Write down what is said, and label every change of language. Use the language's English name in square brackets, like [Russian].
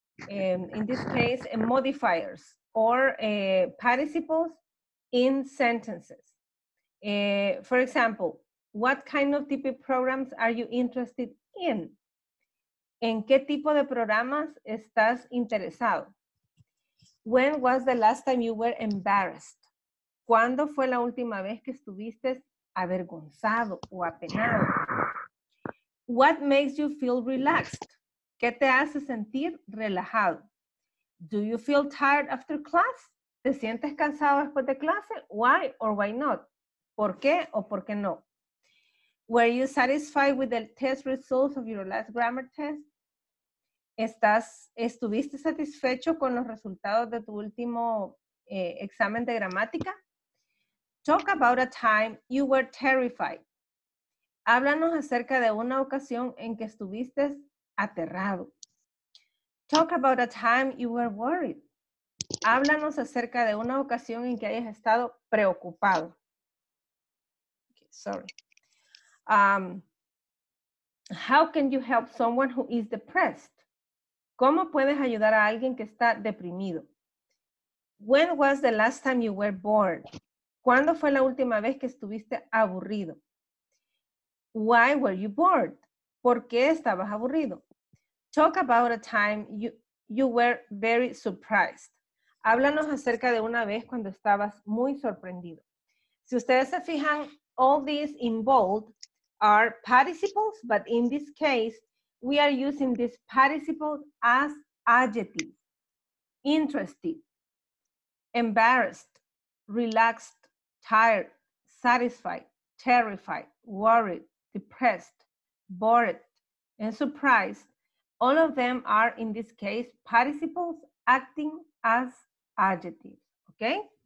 [English] In this case, modifiers or participles in sentences. For example, what kind of TP programs are you interested in? [Spanish] ¿En qué tipo de programas estás interesado? [English] When was the last time you were embarrassed? [Spanish] ¿Cuándo fue la última vez que estuviste avergonzado o apenado? [English] What makes you feel relaxed? [Spanish] ¿Qué te hace sentir relajado? [English] Do you feel tired after class? [Spanish] ¿Te sientes cansado después de clase? [English] Why or why not? [Spanish] ¿Por qué o por qué no? [English] Were you satisfied with the test results of your last grammar test? [Spanish] ¿Estuviste satisfecho con los resultados de tu último examen de gramática? [English] Talk about a time you were terrified. [Spanish] Háblanos acerca de una ocasión en que estuviste aterrado. [English] Talk about a time you were worried. [Spanish] Háblanos acerca de una ocasión en que hayas estado preocupado. [English] Okay, sorry. How can you help someone who is depressed? [Spanish] ¿Cómo puedes ayudar a alguien que está deprimido? [English] When was the last time you were bored? [Spanish] ¿Cuándo fue la última vez que estuviste aburrido? [English] Why were you bored? [Spanish] ¿Por qué estabas aburrido? [English] Talk about a time you were very surprised. [Spanish] Háblanos acerca de una vez cuando estabas muy sorprendido. Si ustedes se fijan, [English] all these in bold are participles, but in this case, we are using this participle as adjective. Interested, embarrassed, relaxed, tired, satisfied, terrified, worried, depressed, bored, and surprised, all of them are, in this case, participles acting as adjectives, okay?